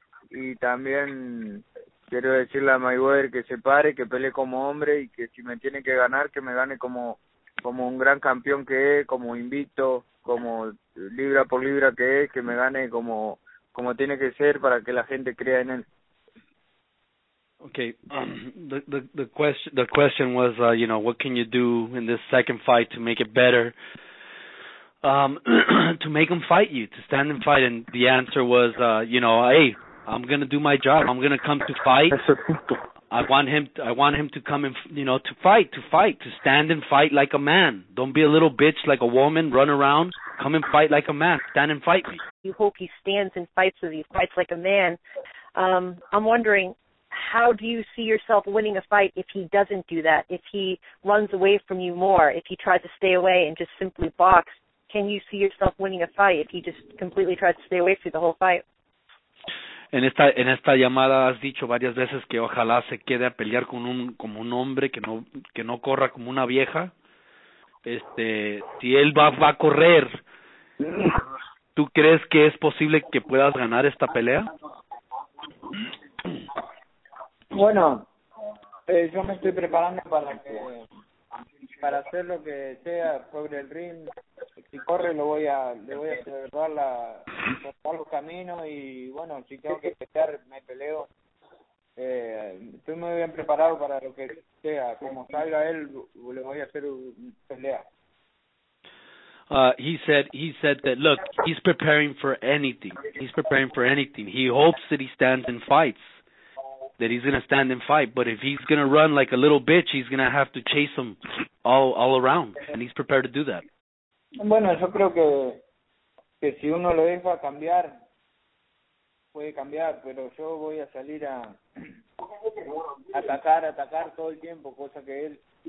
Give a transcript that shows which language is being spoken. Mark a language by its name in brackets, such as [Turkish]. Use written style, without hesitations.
[Spanish] Y también quiero decirle a Mayweather que se pare, que pelee como hombre y que si me tiene que ganar, que me gane como un gran campeón que es, como invicto, como libra por libra que es, que me gane como tiene que ser para que la gente crea en él. [English] Okay, the question was, you know, what can you do in this second fight to make it better? to make him fight you, to stand and fight. And the answer was, you know, hey, I'm going to do my job. I'm going to come to fight. I want him to come and, you know, to fight, to stand and fight like a man. Don't be a little bitch like a woman, run around. Come and fight like a man. Stand and fight me. You hope he stands and fights with you, fights like a man. I'm wondering, how do you see yourself winning a fight if he doesn't do that, if he runs away from you more, if he tries to stay away and just simply box? Can you see yourself winning a fight if he just completely tries to stay away through the whole fight? [Spanish] En esta llamada has dicho varias veces que ojalá se quede a pelear como un hombre, que no corra como una vieja. Si él va a correr, ¿tú crees que es posible que puedas ganar esta pelea? Bueno, yo me estoy preparando para hacer lo que sea sobre el ring, si corre lo voy a le voy a cerrar la cortar los caminos y bueno si tengo que pelear me peleo estoy muy bien preparado para lo que sea como salga él le voy a hacer un pelea. [English] He said that, look, he's preparing for anything. He's preparing for anything. He hopes that he stands and fights, that he's going to stand and fight. But if he's going to run like a little bitch, he's going to have to chase him all around, and he's prepared to do that. [Spanish] Bueno, yo creo que si uno lo deja cambiar, puede cambiar, pero yo voy a salir a atacar todo el tiempo, cosa que él...